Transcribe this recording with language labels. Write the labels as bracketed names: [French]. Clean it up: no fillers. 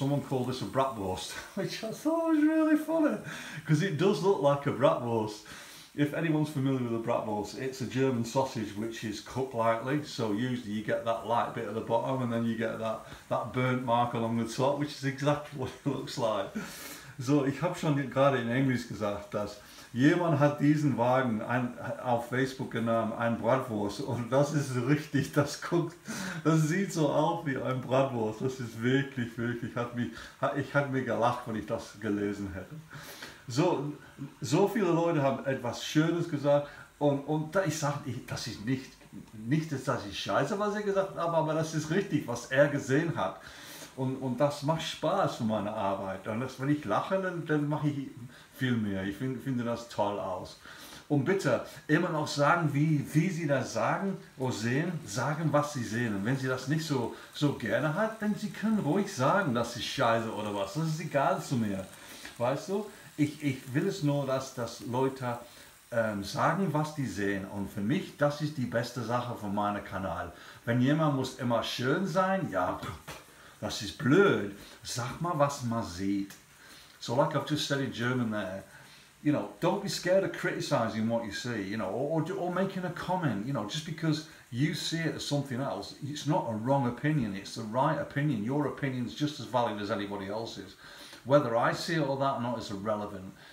[English] Someone called this a bratwurst, which I thought was really funny, because it does look like a bratwurst. If anyone's familiar with a bratwurst, it's a German sausage which is cooked lightly. So usually you get that light bit at the bottom, and then you get that burnt mark along the top, which is exactly what it looks like. [German] So ich habe schon gerade in Englisch gesagt, dass jemand hat diesen Wagen auf Facebook genannt, ein Bratwurst, und das ist richtig, das guckt, das sieht so aus wie ein Bratwurst. Das ist wirklich, wirklich, ich hab mir gelacht, wenn ich das gelesen hätte. So viele Leute haben etwas Schönes gesagt, und da ich sage, das ist nicht, dass ich scheiße, was er gesagt hat, aber das ist richtig, was er gesehen hat. Und das macht Spaß für meine Arbeit. Und das, wenn ich lache, dann mache ich viel mehr. Ich finde das toll aus. Und bitte immer noch sagen, wie Sie das sagen oder sehen, sagen, was Sie sehen. Und wenn Sie das nicht so gerne hat, dann Sie können ruhig sagen, dass ich scheiße oder was. Das ist egal zu mir. Weißt du? Ich will es nur, dass Leute sagen, was die sehen. Und für mich, das ist die beste Sache von meinem Kanal. Wenn jemand muss immer schön sein, ja, das ist blöd. Sag mal, was man sieht. [English] So like I've just said in German there, you know, don't be scared of criticizing what you see, you know, or making a comment, you know, just because you see it as something else, it's not a wrong opinion, it's the right opinion. Your opinion is just as valid as anybody else's. Whether I see it or that or not is irrelevant.